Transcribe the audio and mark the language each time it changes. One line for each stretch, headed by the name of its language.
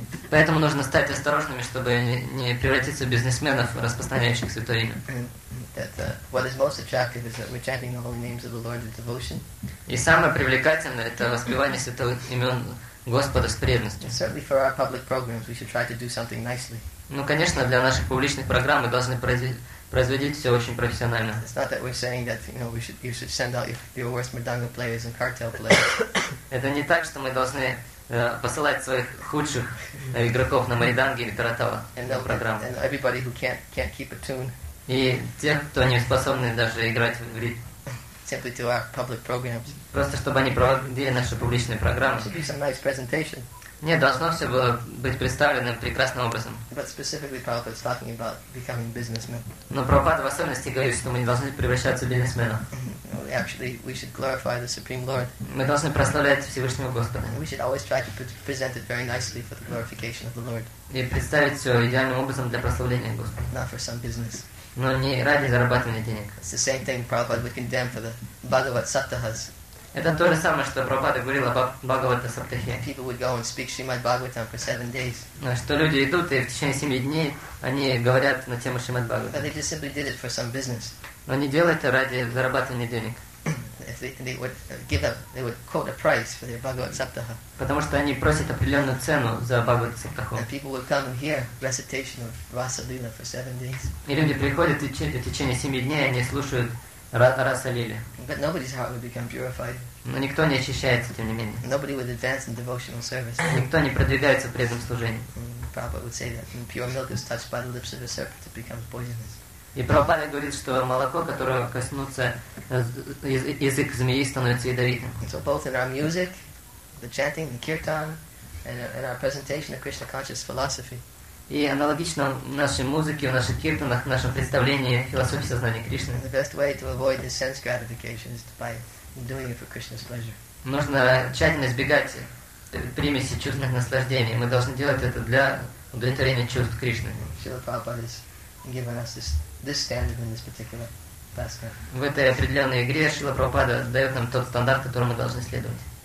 Russian: Поэтому нужно стать осторожными, чтобы не превратиться в бизнесменов, распространяющих святое имя.
English: That what is most attractive is that we're chanting the holy names of the Lord with devotion.
Russian: И самое привлекательное — это воспевание святых имен Господа с преданностью.
English: Certainly for our public programs, we should try to do something nicely.
Russian: Ну, конечно, для наших публичных программ мы должны производить все очень профессионально.
English: It's not that we're saying that, you know, you should send out your worst mridanga players and cartel players.
Russian: Это не так, что мы должны посылать своих худших игроков на мридангу или каратала на программу.
English: And everybody who can't keep a tune.
Russian: И те, кто не способны даже играть в ритм.
English: Simply to our public programs.
Russian: Просто чтобы они проводили наши публичные программы.
English: It should be some nice presentation.
Russian: Нет, должно все было быть представлено прекрасным образом.
English: But specifically, Prabhupada is talking about becoming businessmen.
Russian: Но Прабхупада в особенности говорит, что мы не должны превращаться в бизнесмена.
English: Actually, we should glorify the Supreme Lord.
Russian: Мы должны прославлять Всевышнего Господа.
English: We should always try to present it very nicely for the glorification of the Lord.
Russian: И представить все идеальным образом для прославления Господа.
English: Not for some business.
Russian: Но не ради зарабатывания денег.
English: It's the same thing Prabhupada would condemn for the Bhagavad Saptahas.
Russian: Это то же самое, что Прабхупада говорил об Бхагавата Саптахе.
English: People would go and speak Shrimad Bhagavatam for 7 days.
Russian: Что люди идут и в течение 7 дней они говорят на тему Шримад Бхагавата.
English: But they just simply did it for some business.
Russian: Но они делают это ради зарабатывания денег.
English: They would quote a price for their Bhagavad Saptaha.
Russian: Потому что они просят определенную цену за Бхагавата Саптаху.
English: And people would come and hear recitation of Rasa Lila for 7 days.
Russian: И люди приходят и в течение 7 дней они слушают Раса Лили.
English: But nobody's heart would become purified.
Russian: Но никто не очищается, тем не менее.
English: Nobody would advance in devotional service.
Russian: Никто не продвигается при этом служении.
English: Prabhupada would say that when pure milk is touched by the lips of a serpent, it becomes poisonous.
Russian: И Прабхупада говорит, что молоко, которое коснется язык змеи, становится ядовитым.
English: So both in our music, the chanting, the kirtan, and in our presentation of Krishna conscious philosophy.
Russian: И аналогично нашей музыке, в наших киртанах, в нашем представлении философии сознания Кришны.
English: The best way to avoid this sense gratification is by doing it for Krishna's pleasure.
Russian: Нужно тщательно избегать примеси чувственных наслаждений. Мы должны делать это для удовлетворения чувств Кришны.
English: Srila Prabhupada has given us this standard in this particular pastime.
Russian: В этой определенной игре Шрила Прабхупада дает нам тот стандарт, которому мы должны следовать.